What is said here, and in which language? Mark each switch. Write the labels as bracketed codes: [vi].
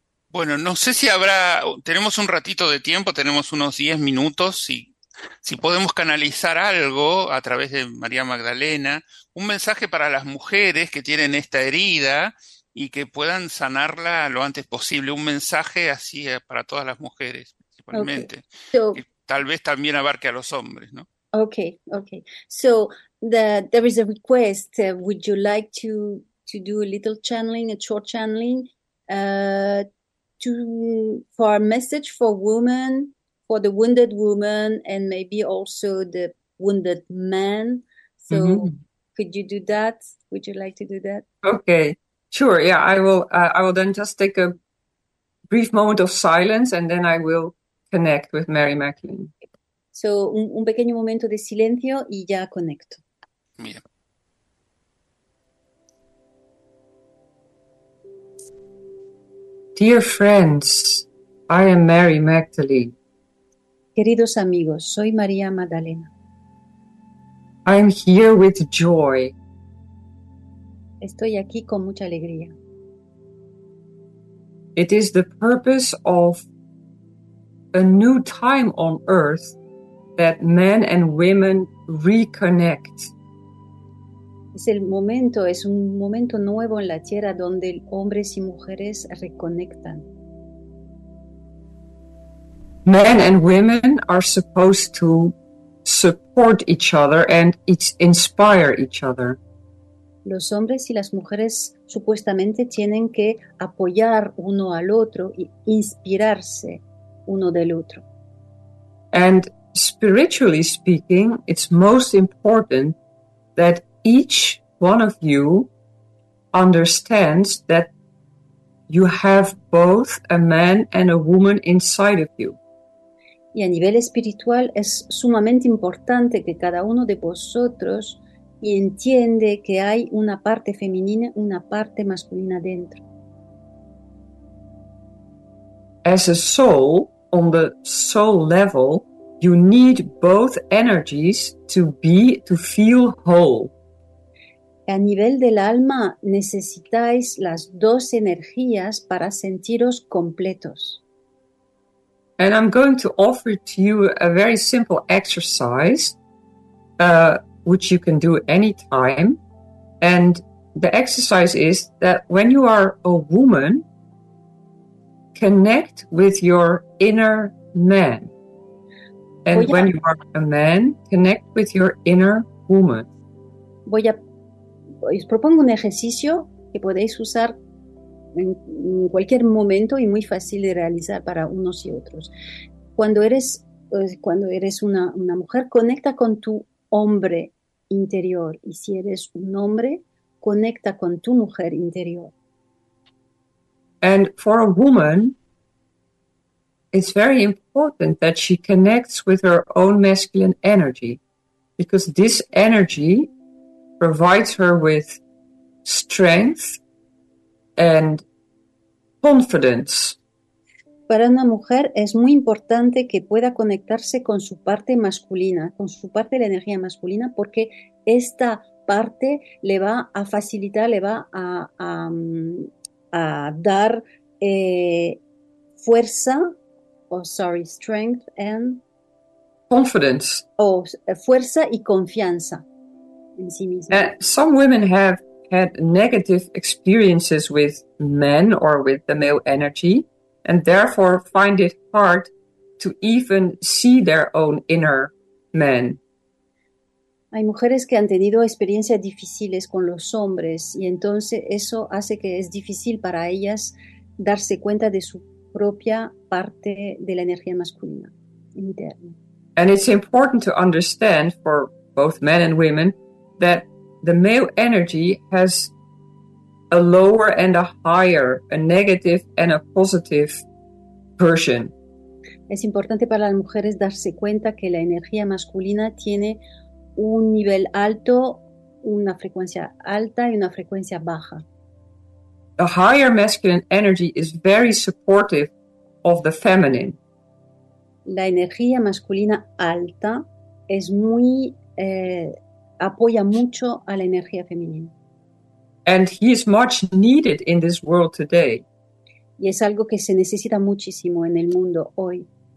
[es] Bueno, no sé si habrá, tenemos un ratito de tiempo, tenemos unos 10 minutos, y si podemos canalizar algo a través de María Magdalena, un mensaje para las mujeres que tienen esta herida y que puedan sanarla lo antes posible, un mensaje así para todas las mujeres [en] Okay. [es] principalmente, [en] So, [es] que tal vez también abarque a los hombres, ¿no? [en] okay. So the there is a request. Would you like to do a little channeling, a short channeling, for a message for women, for the wounded woman, and maybe also the wounded man. So could you do that? Would you like to do that? Okay, sure. Yeah, I will then just take a brief moment of silence, and then I will connect with Mary Magdalene. [es] So, un pequeño momento de silencio y ya conecto. Mira. [en] Dear friends, I am Mary Magdalene. [es] Queridos amigos, soy María Magdalena. [en] I'm here with joy. [es] Estoy aquí con mucha alegría. [en] It is the purpose of a new time on earth that men and women reconnect. [es] Es un momento nuevo en la tierra donde hombres y mujeres reconectan. [en] Men and women are supposed to support each other and inspire each other. [es] Los hombres y las mujeres supuestamente tienen que apoyar uno al otro e inspirarse uno del otro. [en] And spiritually speaking, it's most important that each one of you understands that you have both a man and a woman inside of you. [es] Y a nivel espiritual es sumamente importante que cada uno de vosotros entiende que hay una parte femenina, una parte masculina dentro. [en] As a soul, on the soul level, you need both energies to be, to feel whole. [es] A nivel del alma, necesitáis las dos energías para sentiros completos. [en] And I'm going to offer to you a very simple exercise, which you can do anytime. And the exercise is that when you are a woman, connect with your inner man. And when you are a man, connect with your inner woman. [es] Os propongo un ejercicio que podéis usar en cualquier momento y muy fácil de realizar para unos y otros. Cuando eres una mujer, conecta con tu hombre interior. Y si eres un hombre, conecta con tu mujer interior. [en] And for a woman, it's very important that she connects with her own masculine energy, because this energy provides her with strength and confidence. [es] Para una mujer es muy importante que pueda conectarse con su parte masculina, con su parte de la energía masculina, porque esta parte le va a facilitar, le va a dar fuerza, [en] strength and confidence. [es] Fuerza y confianza en sí misma. [en] Some women have had negative experiences with men or with the male energy, and therefore find it hard to even see their own inner man. [es] Hay mujeres que han tenido experiencias difíciles con los hombres y entonces eso hace que es difícil para ellas darse cuenta de su propia parte de la energía masculina interna. [en] And it's important to understand for both men and women that the male energy has a lower and a higher, a negative and a positive version. [es] Es importante para las mujeres darse cuenta que la energía masculina tiene un nivel alto, una frecuencia alta y una frecuencia baja. [en] The higher masculine energy is very supportive of the feminine. [es] La energía masculina alta es muy apoya mucho a la energía femenina. [en] And he is much needed in this world today. [es] Y es algo que se necesita muchísimo en el mundo hoy.